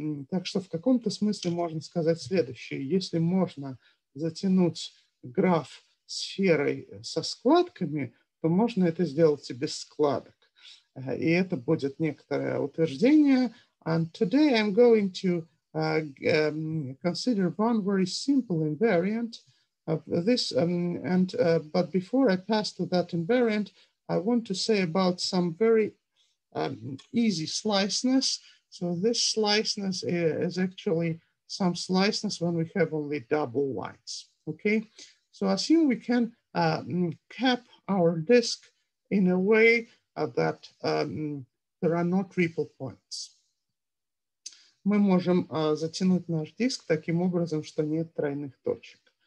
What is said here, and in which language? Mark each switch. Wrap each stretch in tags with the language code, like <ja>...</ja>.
<ru>Так что в каком-то смысле можно сказать следующее. Если можно затянуть граф сферой со складками, то можно это сделать и без складок. И это будет некоторое утверждение.</ru> <en>And today I'm going to consider one very simple invariant of this. But before I pass to that invariant, I want to say about some very easy sliceness. So this sliceness is actually some sliceness when we have only double whites. Okay. So assume we can cap our disk in a way that there are no triple points.</en> <ru>Мы можем затянуть наш диск таким образом, что нет тройных точек.</ru>